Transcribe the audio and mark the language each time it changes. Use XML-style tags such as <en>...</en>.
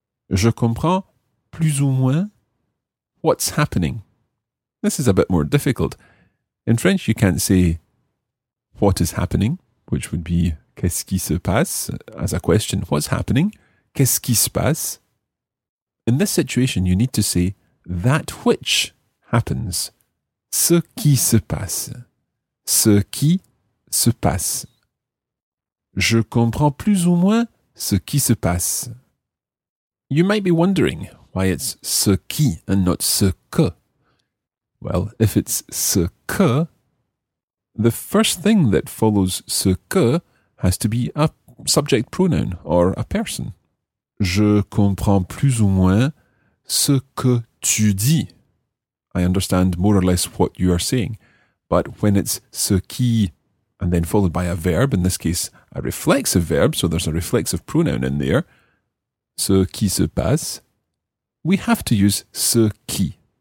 <fr>Je comprends, plus ou moins.</fr> <en>What's happening? This is a bit more difficult. In French, you can't say what is happening, which would be</en> <fr>qu'est-ce qui se passe</fr> <en>as a question. What's happening?</en> <fr>Qu'est-ce qui se passe?</fr> <en>In this situation, you need to say that which happens.</en> <fr>Ce qui se passe. Ce qui se passe. Je comprends plus ou moins ce qui se passe.</fr> <en>You might be wondering why it's ce qui and not ce que. Well, if it's ce que, the first thing that follows ce que has to be a subject pronoun or a person.</en> <fr>Je comprends plus ou moins ce que tu dis.</fr> <en>I understand more or less what you are saying. But when it's ce qui and then followed by a verb, in this case a reflexive verb, so there's a reflexive pronoun in there,</en> <fr>ce qui se passe,</fr> <en>we have to use ce qui.</en>